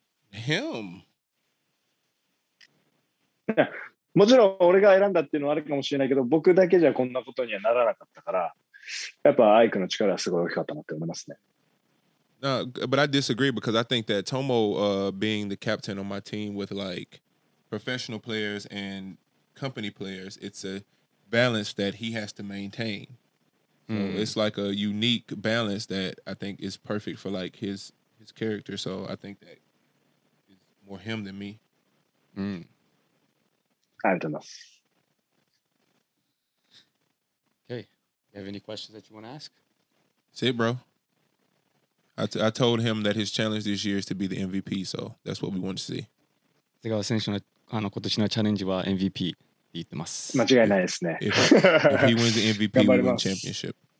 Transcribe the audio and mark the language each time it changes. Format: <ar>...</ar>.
<en>Him.</en> <ja>もちろん俺が選んだっていうのはあるかもしれないけど、僕だけじゃこんなことにはならなかったから、やっぱアイクの力はすごい大きかったなって思いますね。</ja> <en>No, but I disagree because I think that Tomo being the captain on my team with like professional players and company players, it's a balance that he has to maintain. So it's like a unique balance that I think is perfect for like his character. So I think that. More him than me. I don't know. Okay. You have any questions that you want to ask? That's it, bro. I told him that his challenge this year is to be the MVP, so that's what we want to see.</en> <ja>長谷川選手の今年のチャレンジは MVP って言ってます。間違いないですね。</ja> <en>If he wins the MVP, we win championship.</en>